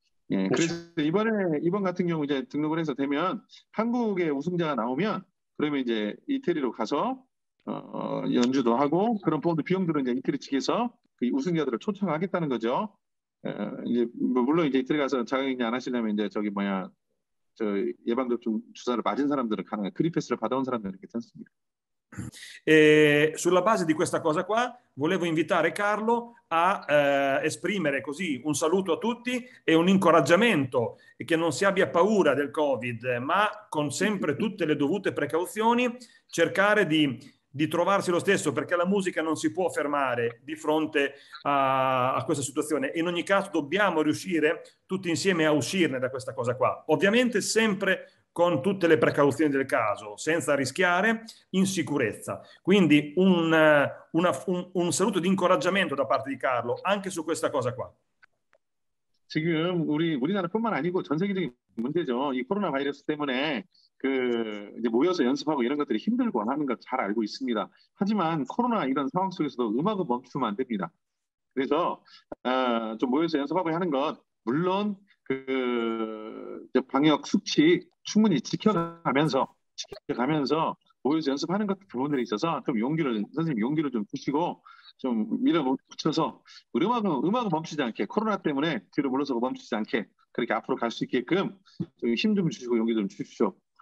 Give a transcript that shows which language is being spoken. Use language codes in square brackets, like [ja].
[ko] 예, 그래서 이번 같은 경우 이제 등록을 해서 되면 한국의 우승자가 나오면 그러면 이제 이태리로 가서 연주도 하고 그런 본드 비용들은 이제 이태리 측에서 그 우승자들을 초청하겠다는 거죠. 이제 물론 이제 이태리 가서 자가격리 안 하시려면 이제 저기 뭐야 저 예방접종 주사를 맞은 사람들은 가능해. 그린패스를 받아온 사람들은 괜찮습니다. [it] E sulla base di questa cosa qua, volevo invitare Carlo a esprimere così un saluto a tutti e un incoraggiamento che non si abbia paura del Covid, ma con sempre tutte le dovute precauzioni, cercare di trovarsi lo stesso, perché la musica non si può fermare di fronte a questa situazione. In ogni caso, dobbiamo riuscire tutti insieme a uscirne da questa cosa qua. Ovviamente sempre con tutte le precauzioni del caso, senza rischiare, in sicurezza. Quindi un saluto di incoraggiamento da parte di Carlo, anche su questa cosa qua. [ko] 지금 우리나라뿐만 아니고 전 세계적인 문제죠. 이 코로나 바이러스 때문에 그 이제 모여서 연습하고 이런 것들이 힘들고 하는 거잘 알고 있습니다. 하지만 코로나 이런 상황 속에서도 음악은 멈추면 안 됩니다. 그래서 좀 모여서 연습하고 하는 건 물론 그 이제 방역 수칙 충분히 지켜가면서 모여서 연습하는 것 부분들이 있어서 좀 용기를 선생님 용기를 좀 주시고 좀 밀어붙여서 음악은 멈추지 않게 코로나 때문에 뒤로 물러서고 멈추지 않게 그렇게 앞으로 갈수 있게끔 좀힘좀 주시고 용기 좀 주십시오.